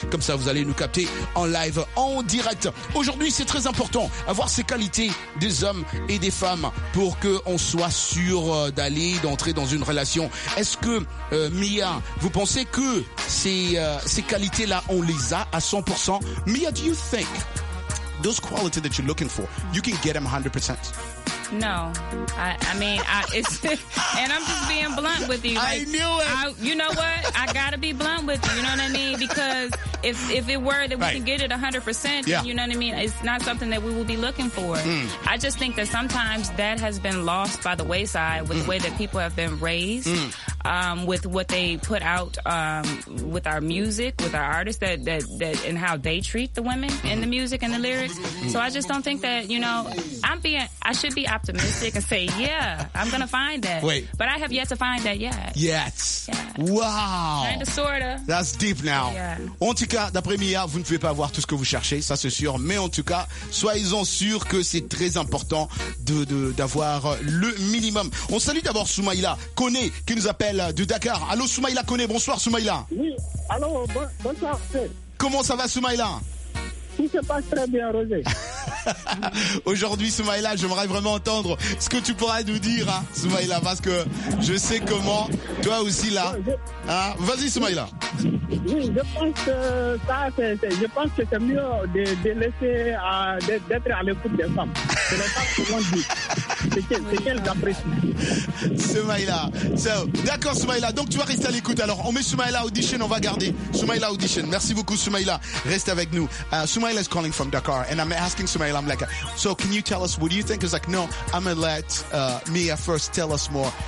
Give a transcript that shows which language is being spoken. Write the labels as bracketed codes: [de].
[fr] Comme ça, vous allez nous capter en live, en direct. Aujourd'hui, c'est très important avoir ces qualités des hommes et des femmes pour que on soit sûr d'aller, d'entrer dans une relation. Est-ce que, Mia, vous pensez que ces qualités-là, on les a à 100%? [en] Mia, you think those qualities that you're looking for, you can get them 100%? No. I mean, it's and I'm just being blunt with you. Like, I knew it. You know what? I gotta be blunt with you. You know what I mean? Because if it were that we right. can get it 100%, yeah. then, you know what I mean? It's not something that we will be looking for. Mm. I just think that sometimes that has been lost by the wayside with mm. the way that people have been raised. Mm. With what they put out, with our music, with our artists that, and how they treat the women in the music and the lyrics. So I just don't think that, you know, I should be optimistic and say, yeah, I'm gonna find that. Wait. But I have yet to find that yet. Yet. Yeah. Wow. Kinda, sorta. That's deep now. Yeah. [fr] En tout cas, d'après Mia, vous ne pouvez pas avoir tout ce que vous cherchez, ça c'est sûr. Mais en tout cas, soyez-en sûrs que c'est très important d'avoir le minimum. On salue d'abord Soumaïla Kone qui nous appelle de Dakar. Allô Soumaïla Kone, bonsoir Soumaïla. Oui, allô, bonsoir. Comment ça va Soumaïla? Tout se passe très bien, Roger. Aujourd'hui Soumaïla, j'aimerais vraiment entendre ce que tu pourrais nous dire, hein, Soumaïla, parce que je sais comment toi aussi là. Hein, vas-y Soumaïla. Oui, je pense que ça, je pense que c'est mieux de laisser d'être à l'écoute des femmes. C'est pas comment dire. C'est Soumaïla. So, d'accord Soumaïla, donc tu vas rester à l'écoute. Alors on met Soumaïla audition, on va garder Soumaïla audition. Merci beaucoup Soumaïla, reste avec nous. [en] Soumaïla is calling from Dakar and I'm asking Soumaïla, I'm like, so can you tell us what do you think? He's like, no, I'm gonna let Mia first tell us more.